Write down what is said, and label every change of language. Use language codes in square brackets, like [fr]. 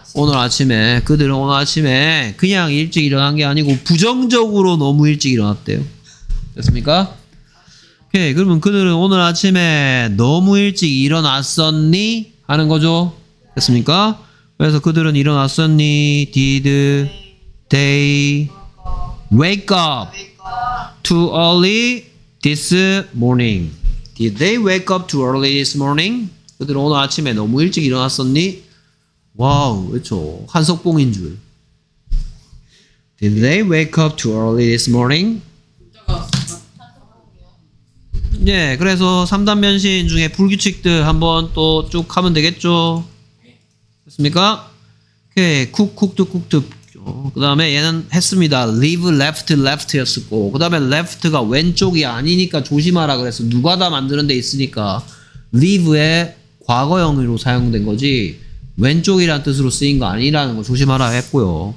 [ko] 오늘 아침에 그들은 오늘 아침에 그냥 일찍 일어난 게 아니고 부정적으로 너무 일찍 일어났대요. 됐습니까? 오케이. 그러면 그들은 오늘 아침에 너무 일찍 일어났었니? 하는 거죠. 됐습니까? 그래서 그들은 일어났었니? [en] Did they wake up too early this morning? Did they wake up too early this morning? [ko] 그들은 오늘 아침에 너무 일찍 일어났었니? 와우, 그렇죠. 한석봉인 줄. [en] Did they wake up too early this morning? [ko] 네, 그래서 3단 변신 중에 불규칙들 한번 또 쭉 하면 되겠죠. 됐습니까? 오케이, 쿡, 쿡드, 쿡드. 그 다음에 얘는 했습니다. [en] Leave left, left [ko] 였었고 그 다음에 left가 왼쪽이 아니니까 조심하라 그래서 누가 다 만드는 데 있으니까 leave의 과거형으로 사용된 거지 왼쪽이란 뜻으로 쓰인 거 아니라는 거 조심하라 했고요.